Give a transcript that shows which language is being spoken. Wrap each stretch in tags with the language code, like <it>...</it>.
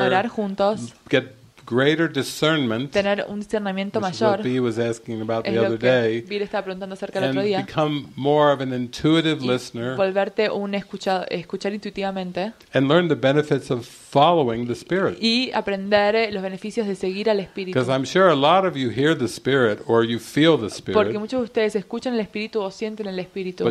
<es>Orar juntos.</es> <en>Get greater discernment.</en> <es>Tener un discernimiento</es> <en>which</en> <es>mayor.</es> <en>What Bea was asking about</en> <es>es</es> <en>the other day.</en> <es>Bea estaba preguntando acerca el otro día.</es> <en>And become more of an intuitive listener.</en> <es>Volverte un escuchar intuitivamente.</es> <en>And learn the benefits of following the spirit.</en> <es>Y aprender los beneficios de seguir al espíritu.</es> <en>Because I'm sure a lot of you hear the spirit or you feel the spirit.</en> <es>Porque muchos de ustedes escuchan el espíritu o sienten el espíritu.</es>